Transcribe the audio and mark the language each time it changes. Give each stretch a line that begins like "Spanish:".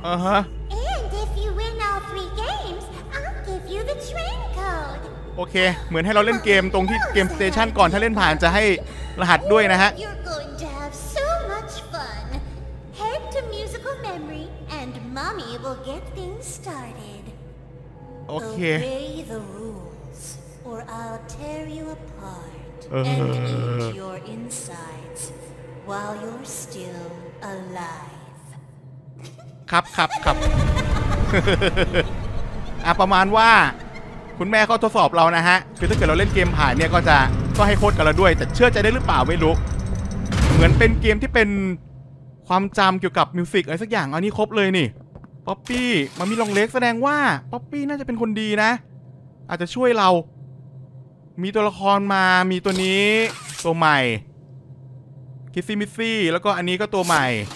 English: And if you win all three games, I'll give you the train code.
Thai: Okay, เหมือนให้เราเล่นเกมตรงที่เกมสเตชันก่อนถ้าเล่นผ่านจะให้รหัสด้วยนะฮะ
English: You're going to have so much fun. Head to musical memory, and mommy will get things started. Okay. Obey the rules, or I'll tear you apart and eat your insides. While you're still alive.
Thai: ครับครับครับประมาณว่าคุณแม่เขาทดสอบเรานะฮะคือถ้าเกิดเราเล่นเกมผ่านเนี่ยก็จะก็ให้โค้ดกับเราด้วยแต่เชื่อใจได้หรือเปล่าไม่รู้เหมือนเป็นเกมที่เป็นความจำเกี่ยวกับมิวสิกอะไรสักอย่างอันนี้ครบเลยนี่ป๊อปปี้มันมีลองเล็กแสดงว่าป๊อปปี้น่าจะเป็นคนดีนะอาจจะช่วยเรามีตัวละครมามีตัวนี้ตัวใหม่คิสซี่มิสซี่แล้วก็อันนี้ก็ตัวใหม่